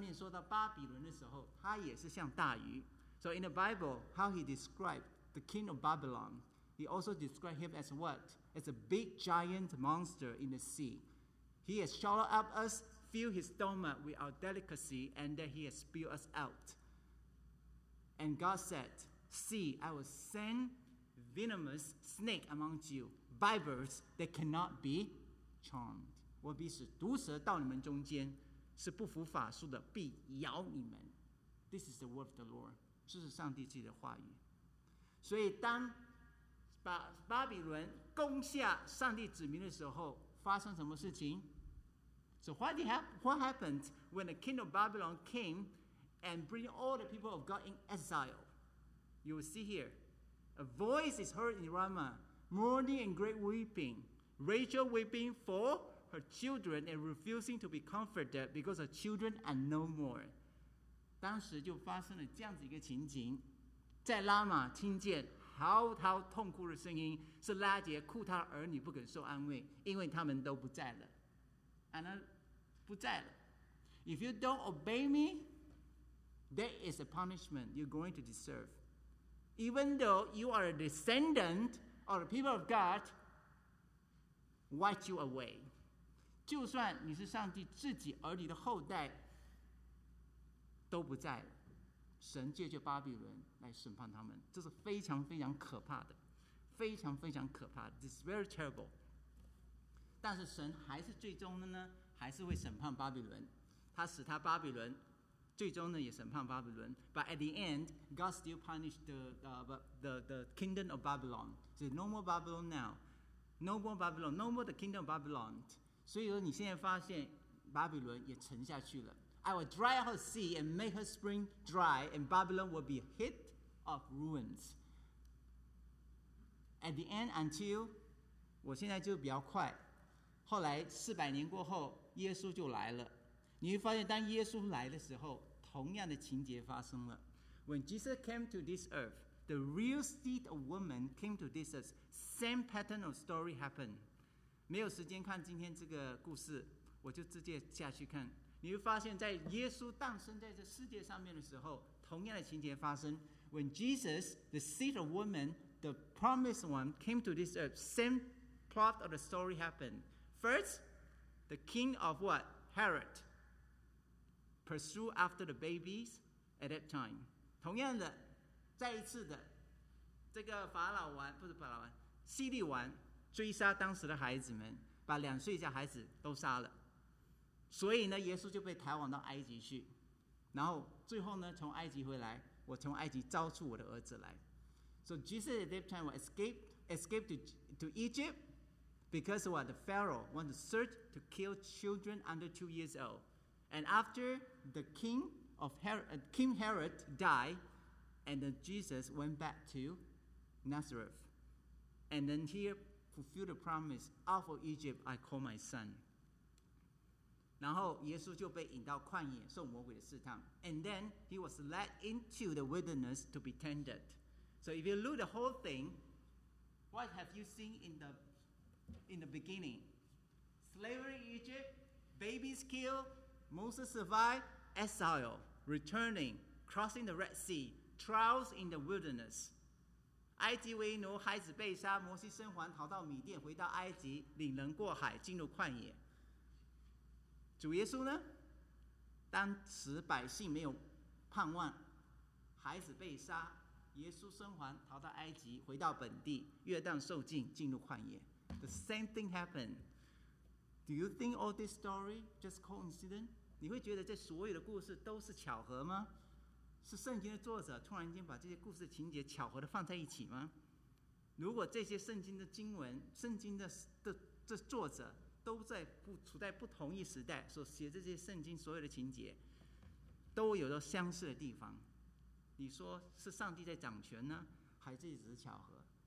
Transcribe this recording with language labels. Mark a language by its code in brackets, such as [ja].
[zh] 你发现神反过来呢，就用蛇的后裔来施行审判在神子民身上，非常讽刺的，那就是用巴比伦来审判他们。所以圣经上面说到巴比伦的时候，他也是像大鱼。 [en] So in the Bible, how he described the king of Babylon, he also described him as what? As a big giant monster in the sea. He has swallowed up us, filled his stomach with our delicacy, and then he has spilled us out. And God said, see, I will send venomous snake among you, vipers that cannot be charmed. [zh] 我必使毒蛇到你们中间，是不服法术的，必咬你们. [en] This is the word of the Lord. [zh] 这是上帝自己的话语。所以当把巴比伦攻下上帝子民的时候 发生什么事情？ [en] So what happened when the king of Babylon came and bring all the people of God in exile? You will see here a voice is heard in Ramah, mourning and great weeping. Rachel weeping for her children and refusing to be comforted because her children are no more. [zh] 当时就发生了这样子一个情景，在拉玛听见嚎啕痛哭的声音，是拉结哭他的儿女不肯受安慰，因为他们都不在了。啊，不在了。 [en] If you don't obey me, that is a punishment you're going to deserve. Even though you are a descendant of the people of God, wipe you away. [zh] 就算你是上帝自己儿女的后代，都不在了。神借着巴比伦来审判他们，这是非常非常可怕的，非常非常可怕的。 [en] This is very terrible. [zh] 但是神还是最终的呢，还是会审判巴比伦，他使他巴比伦，最终呢也审判巴比伦。 [en] But at the end, God still punished the kingdom of Babylon. So no more Babylon now, no more Babylon, no more the kingdom of Babylon. [zh] 所以说你现在发现巴比伦也沉下去了。 [en] I will dry her sea and make her spring dry, and Babylon will be a heap of ruins. At the end, until [zh] 我现在就比较快，后来四百年过后，耶稣就来了。你会发现，当耶稣来的时候，同样的情节发生了。 [en] When Jesus came to this earth, the real seed of woman came to this earth. Same pattern of story happened. [zh] 没有时间看今天这个故事，我就直接下去看。你会发现在耶稣诞生在这世界上面的时候，同样的情节发生。 [en] When Jesus, the seed of woman, the promised one, came to this earth, same plot of the story happened. First, the king of what? Herod pursued after the babies at that time. [zh] 同样的，再一次的，这个法老王，不是法老王，希律王追杀当时的孩子们，把两岁以下孩子都杀了。所以呢，耶稣就被抬往到埃及去，然后最后呢，从埃及回来，我从埃及召出我的儿子来。 [en] So Jesus at that time escaped to Egypt because what the Pharaoh wanted to search to kill children under 2 years old. And after the king of Herod, King Herod died, and then Jesus went back to Nazareth, and then he fulfilled the promise, out of Egypt I call my son. [zh] 然后耶稣就被引到旷野受魔鬼的试探。 [en] And then he was led into the wilderness to be tempted. So if you look the whole thing, what have you seen in the beginning? Slavery in Egypt, babies killed, Moses survived, exile, returning, crossing the Red Sea, trials in the wilderness. [zh] 埃及为奴，孩子被杀，摩西生还，逃到米甸，回到埃及，领人过海，进入旷野。主耶稣呢，当时百姓没有盼望，孩子被杀，耶稣生还，逃到埃及，回到本地，约旦受浸，进入旷野。 [en] The same thing happened. Do you think all this story just coincident? [zh] 你会觉得这所有的故事都是巧合吗？是圣经的作者突然间把这些故事情节巧合的放在一起吗？如果这些圣经的经文，圣经 的作者都在不处在不同一时代，所写这些圣经所有的情节都有着相似的地方，你说是上帝在掌权呢，还是只是巧合？